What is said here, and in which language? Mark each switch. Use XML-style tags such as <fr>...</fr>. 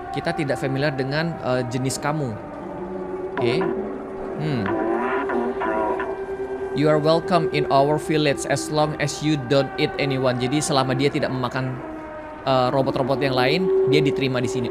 <id>Kita tidak familiar dengan jenis kamu. Oke. Okay.</id> <en>You are welcome in our village as long as you don't eat anyone.</en> <id>Jadi selama dia tidak memakan robot-robot yang lain, dia diterima di sini.</id>